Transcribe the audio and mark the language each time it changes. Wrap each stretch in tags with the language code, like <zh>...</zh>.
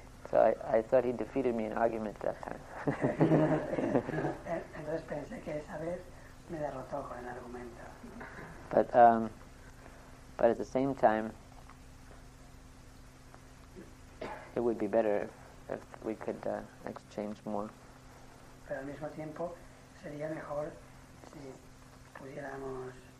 <en>So I thought he defeated me in argument that time.</en> <es>Entonces pensé que esa vez me derrotó con el argumento.</es> <en>But at the same time, it would be better if we could exchange more.</en> <es>Pero al mismo tiempo sería mejor si pudiéramos.</es>